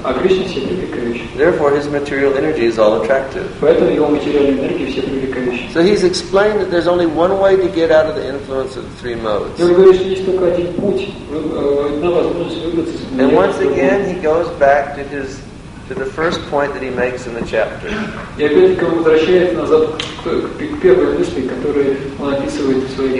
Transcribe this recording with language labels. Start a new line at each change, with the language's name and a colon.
Russian: А Кришна все привлекающий.
English: Therefore, his material energy is all-attractive.
Russian: Поэтому его материальная энергия все привлекающая.
English: So he's explained that there's only one way to get out of the influence of the three modes.
Russian: И он говорит, что есть только один путь, одна возможность выбраться из этого.
English: And once again, he goes back to his to the first point that he makes in the chapter.
Russian: И опять-таки он возвращается назад к первой мысли, которую он описывает в своей.